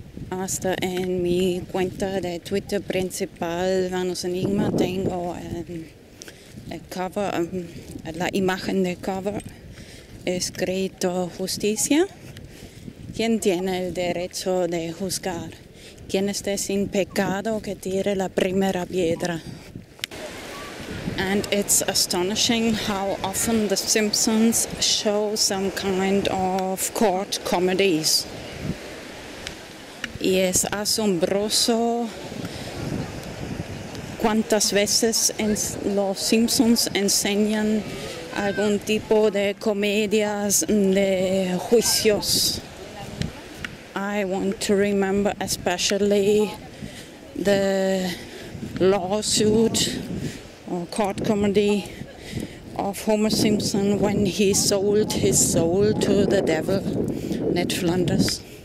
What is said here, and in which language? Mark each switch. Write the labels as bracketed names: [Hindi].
[Spanish] Hasta en mi cuenta de Twitter principal, Vanos Enigma, tengo la imagen de cover escrito justicia. ¿Quién tiene el derecho de juzgar? ¿Quién esté sin pecado que tire la primera piedra? [English] And it's astonishing how often The Simpsons show some kind of court comedies. [Spanish] Y es asombroso cuántas veces los Simpsons enseñan algún tipo de comedias de juicios. [English] I want to remember especially the lawsuit or court comedy of Homer Simpson when he sold his soul to the devil, Ned Flanders.